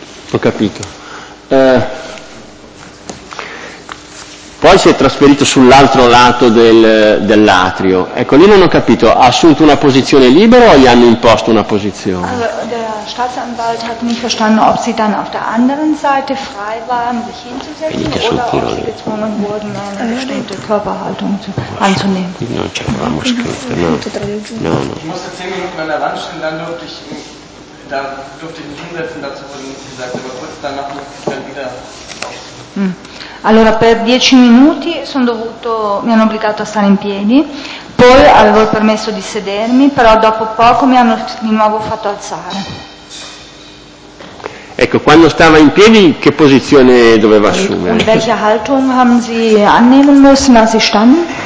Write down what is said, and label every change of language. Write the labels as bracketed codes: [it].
[it] Ho capito. Poi si è trasferito sull'altro lato dell'atrio. Ecco, lì non ho capito, ha assunto una posizione libera o gli hanno imposto una posizione? [de] Der Staatsanwalt hat nicht verstanden, ob sie dann auf der anderen Seite frei waren, sich hinzusetzen oder ob sie gezwungen wurden, eine bestimmte Körperhaltung anzunehmen. [it] Non ci avevamo scritto, no. No, no. [de] Ich musste 10 Minuten an der Wand stehen, dann durfte ich mich hinsetzen, dazu wurde nichts gesagt, aber kurz danach musste ich dann wieder aufstehen. [it] Allora, per 10 minuti mi hanno obbligato a stare in piedi, poi avevo il permesso di sedermi, però dopo poco mi hanno di nuovo fatto alzare. Ecco, quando stava in piedi, che posizione doveva assumere? [de] In welche Haltung haben Sie annehmen müssen, als Sie standen?